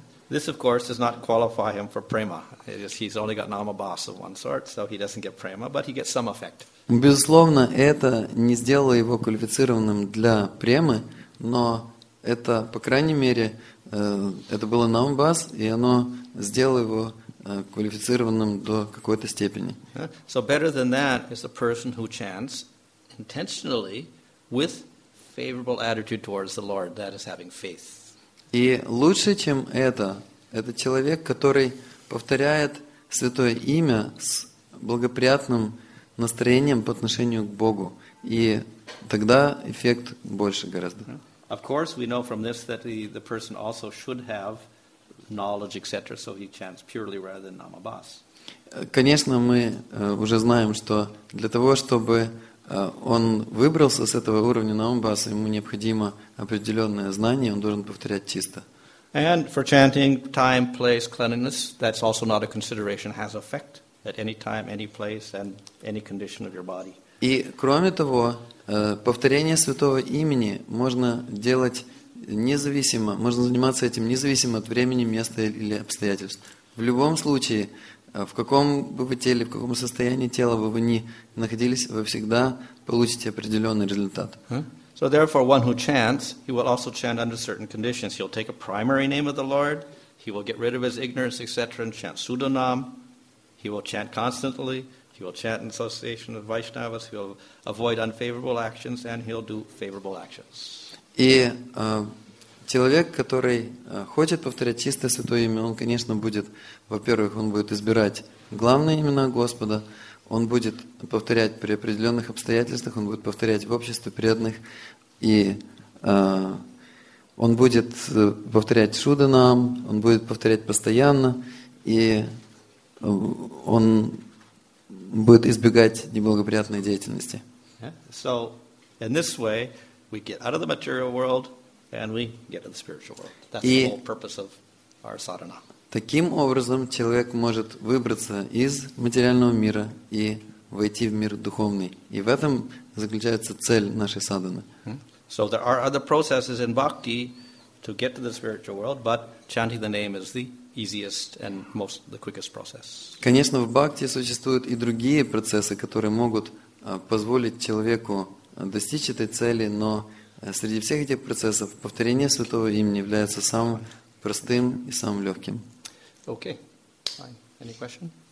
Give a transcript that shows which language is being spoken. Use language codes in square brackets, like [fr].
[en] This, of course, does not qualify him for prema. He's only got namabhas of one sort, so he doesn't get prema, but he gets some effect. [ru] Безусловно, это не сделало его квалифицированным для премы, но это, по крайней мере, это было намабхас, и оно сделало его квалифицированным до какой-то степени. [en] So better than that is a person who chants intentionally with favorable attitude towards the Lord, that is having faith. [ru] И лучше, чем это человек, который повторяет святое имя с благоприятным настроением по отношению к Богу. И тогда эффект больше гораздо. [en] Of course, we know from this that the person also should have knowledge, etc., so he chants purely rather than namabhas. [ru] Конечно, мы уже знаем, что для того, чтобы он выбрался с этого уровня намабхаса, ему необходимо определенное знание, он должен повторять чисто. [en] And for chanting, time, place, cleanliness, that's also not a consideration, has effect at any time, any place, and any condition of your body. [ru] И кроме того, повторение святого имени можно делать независимо, можно заниматься этим независимо от времени, места или обстоятельств. В любом случае, в каком бы вы теле, в каком состоянии тела бы вы ни находились, вы всегда получите определенный результат. [en] So therefore, one who chants, he will also chant under certain conditions. He'll take a primary name of the Lord, he will get rid of his ignorance, etc., and chant pseudonym. He will chant constantly, he will chant in association with Vaishnavas, he'll avoid unfavorable actions, and he'll do favorable actions. [ru] И человек, который хочет повторять чистое святое имя, он, конечно, будет, во-первых, он будет избирать главные имена Господа, он будет повторять при определенных обстоятельствах, он будет повторять в обществе преданных, и он будет повторять шуданам, он будет повторять постоянно, и он будет избегать неблагоприятной деятельности. [en] So, in this way, we get out of the material world, and we get to the spiritual world. That's the whole purpose of our sadhana. [ru] Таким образом, человек может выбраться из материального мира и войти в мир духовный. И в этом заключается цель нашей садханы. [en] So there are other processes in bhakti to get to the spiritual world, but chanting the name is the easiest and most the quickest process. [ru] Конечно, в бхакти существуют и другие процессы, которые могут позволить человеку достичь этой цели, но среди всех этих процессов повторение святого имени является самым простым и самым легким. [en] Okay. Fine. Any question?